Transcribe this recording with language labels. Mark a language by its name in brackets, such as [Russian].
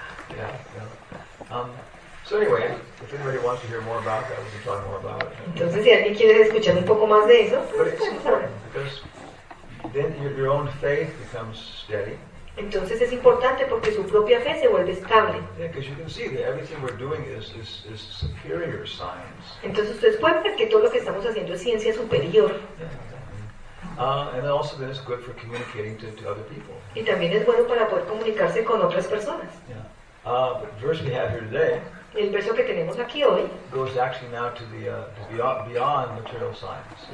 [English] So anyway, if anybody wants to hear more about that, we can talk more about it. [Spanish] Entonces si alguien quiere escuchar un poco más de eso, [English] pues then your own faith becomes steady. [Spanish] Entonces es importante porque su propia fe se vuelve estable. [English] Yeah, you can see that everything we're doing is superior science. [Spanish] Entonces ustedes pueden ver que todo lo que estamos haciendo es ciencia superior. [English] And also that it's good for communicating to other people. [Spanish] Y también es bueno para poder comunicarse con otras personas. [English] Yeah. But the verse we have here today. [Spanish] El verso que tenemos aquí hoy. [English] Goes actually now to the beyond material science.